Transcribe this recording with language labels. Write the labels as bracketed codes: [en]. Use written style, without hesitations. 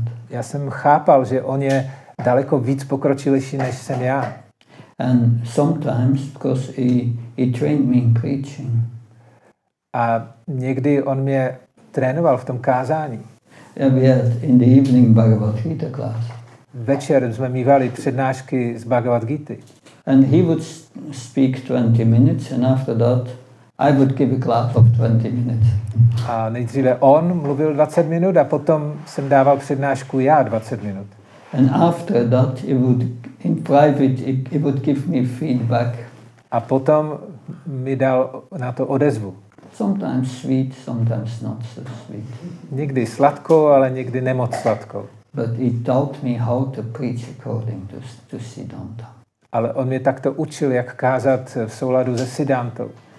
[cs] Já jsem chápal, že on je daleko víc pokročilejší než jsem já. [en] And sometimes because he trained me in preaching. [cs] A někdy on mě trénoval v tom kázání. [en] Yeah, we had in the evening Bhagavad Gita class. [cs] Večer jsme mívali přednášky z Bhagavad Gity. [en] And he would speak 20 minutes and after that I would give a class of 20 minutes. [cs] A nejdříve on mluvil 20 minut a potom jsem dával přednášku já 20 minut. [en] And after that, he would, in private, he would give me feedback. [cs] A potom mi dal na to odezvu. [en] Sometimes sweet, sometimes not so sweet. [cs] Někdy sladkou, ale někdy nemoc sladkou. [en] But he taught me how to preach according to Siddhanta. [cs] Ale on mě takto učil, jak kázat v souladu se Siddhantou.